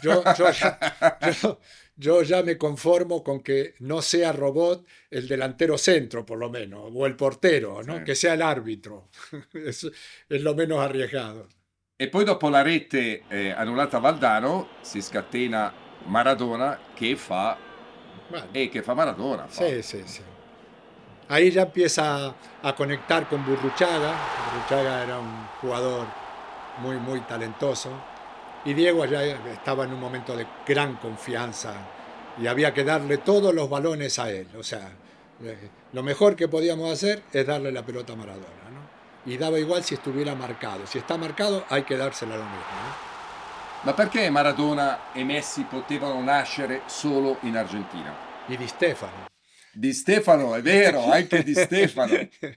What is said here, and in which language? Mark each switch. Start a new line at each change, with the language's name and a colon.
Spanish: Bueno, yo ya me conformo con que no sea robot el delantero centro, por lo menos, o el portero, ¿no? Sí. Que sea el árbitro. Es lo menos arriesgado.
Italian: E poi dopo la rete annullata a Valdano, si scatena Maradona che fa...
Spanish: Bueno. Que fa Maradona. Sí, sí, sí. Ahí ya empieza a conectar con Burruchaga. Burruchaga era un jugador muy, muy talentoso. Y Diego ya estaba en un momento de gran confianza. Y había que darle todos los balones a él. O sea, lo mejor que podíamos hacer es darle la pelota a Maradona, ¿no? Y daba igual si estuviera marcado. Si está marcado, hay que dársela a lo mismo, ¿no?
Italian: Ma perché Maradona e Messi potevano nascere solo in Argentina? E Di Stefano. Di Stefano, è vero, anche Di Stefano.